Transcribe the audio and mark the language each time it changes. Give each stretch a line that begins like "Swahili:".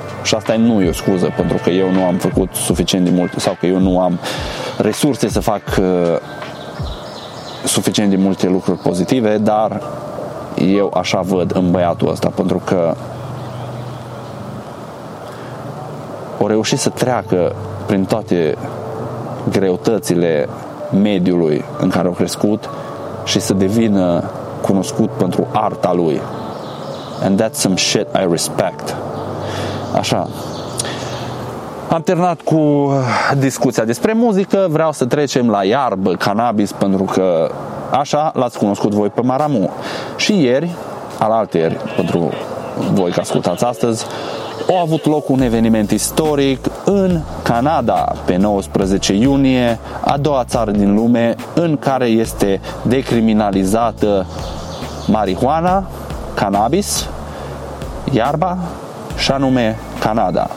Romanian: Și asta nu e o scuză, pentru că eu nu am făcut suficient de mult sau că eu nu am resurse să fac suficient de multe lucruri pozitive, dar eu așa văd în băiatul ăsta, pentru că o reușit să treacă prin toate greutățile mediului în care au crescut și să devină cunoscut pentru arta lui.
English: And that's some shit I respect.
Romanian: Așa. Am terminat cu discuția despre muzică. Vreau să trecem la iarbă, cannabis, pentru că așa l-ați cunoscut voi pe Maramu. Și ieri, alaltăieri, pentru voi că ascultați astăzi, a avut loc un eveniment istoric în Canada, pe 19 iunie, a doua țară din lume în care este decriminalizată marihuana, cannabis, iarba, și anume Canada.